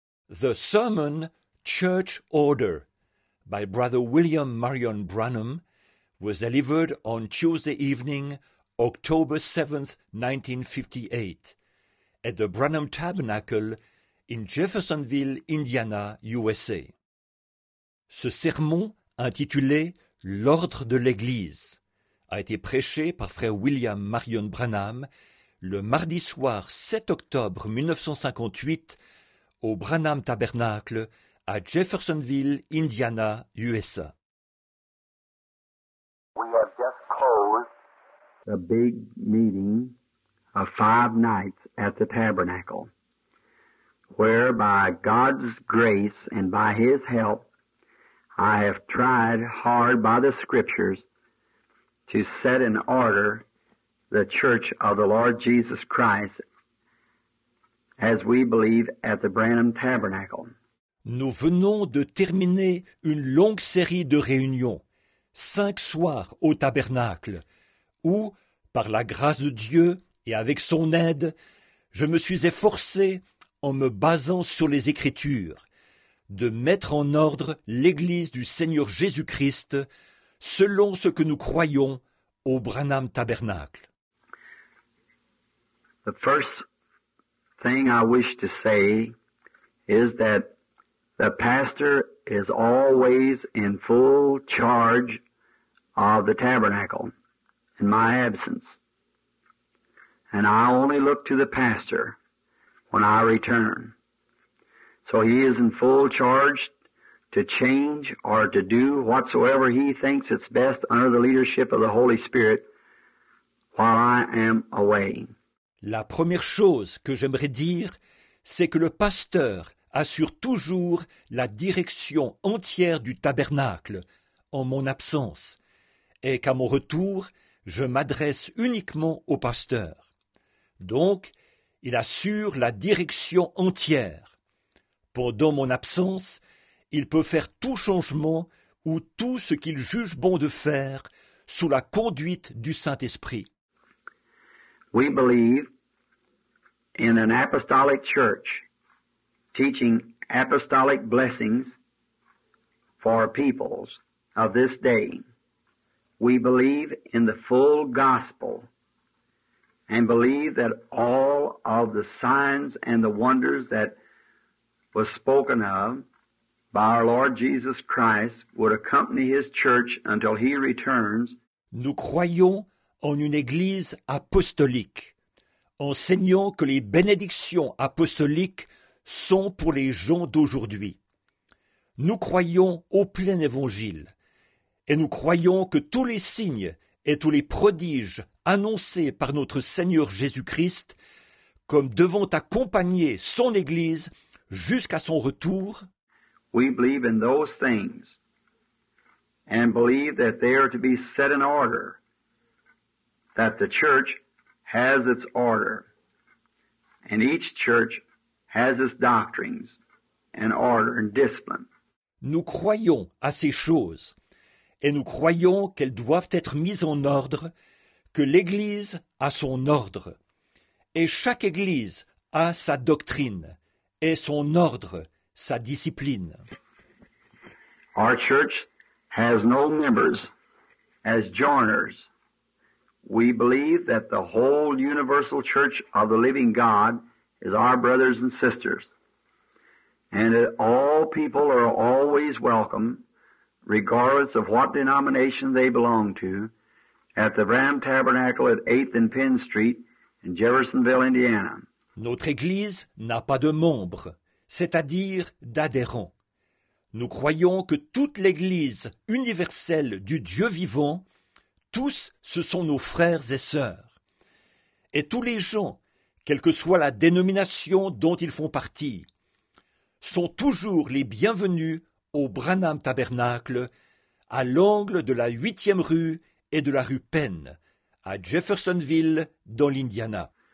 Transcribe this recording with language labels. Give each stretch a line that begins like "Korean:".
English: The Sermon, Church Order, by Brother William Marion Branham, was delivered on Tuesday evening, October 7, 1958, at the Branham Tabernacle in Jeffersonville, Indiana, USA.
French: Ce sermon, intitulé « L'ordre de l'Église », a été prêché par Frère William Marion Branham le mardi soir 7 octobre 1958 au Branham Tabernacle à Jeffersonville, Indiana, USA.
English: We have just closed a big meeting of 5 nights at the Tabernacle, where by God's grace and by His help, I have tried hard by the Scriptures to set in order the Church of the Lord Jesus Christ, as we believe at the Branham Tabernacle.
French: Nous venons de terminer une longue série de réunions, 5 soirs au tabernacle, où, par la grâce de Dieu et avec son aide, je me suis efforcé, en me basant sur les Écritures, de mettre en ordre l'Église du Seigneur Jésus-Christ selon ce que nous croyons au Branham Tabernacle.
English: The first thing I wish to say is that the pastor is always in full charge of the tabernacle in my absence. And I only look to the pastor when I return. So he is in full charge to change or to do whatsoever he thinks it's best under the leadership of the Holy Spirit while I am away.
French: La première chose que j'aimerais dire, c'est que le pasteur assure toujours la direction entière du tabernacle en mon absence, et qu'à mon retour, je m'adresse uniquement au pasteur. Donc, il assure la direction entière. Pendant mon absence, il peut faire tout changement ou tout ce qu'il juge bon de faire sous la conduite du Saint-Esprit.
English: We believe in an apostolic church teaching apostolic blessings for peoples of this day. We believe in the full gospel and believe that all of the signs and the wonders that was spoken of by our Lord Jesus Christ would accompany His church until He returns.
French: Nous croyons en une église apostolique, enseignant que les bénédictions apostoliques sont pour les gens d'aujourd'hui. Nous croyons au plein évangile, et nous croyons que tous les signes et tous les prodiges annoncés par notre Seigneur Jésus-Christ, comme devant accompagner son Église jusqu'à son retour,
English: we believe in those things and believe that they are to be set in order, that the church has its order, and each church has its doctrines and order and discipline.
French: Nous croyons à ces choses, et nous croyons qu'elles doivent être mises en ordre, que l'Église a son ordre, et chaque Église a sa doctrine, et son ordre, sa discipline.
English: Our church has no members as joiners. We believe that the whole universal church of the living God is our brothers and sisters, and that all people are always welcome, regardless of what denomination they belong to, at the Branham Tabernacle at 8th and Penn Street in Jeffersonville, Indiana.
French: Notre Église n'a pas de membres, c'est-à-dire d'adhérents. Nous croyons que toute l'Église universelle du Dieu vivant, tous, ce sont nos frères et sœurs. Et tous les gens, quelle que soit la dénomination dont ils font partie, sont toujours les bienvenus au Branham Tabernacle, à l'angle de la 8e rue et de la rue Penn, à Jeffersonville, dans l'Indiana.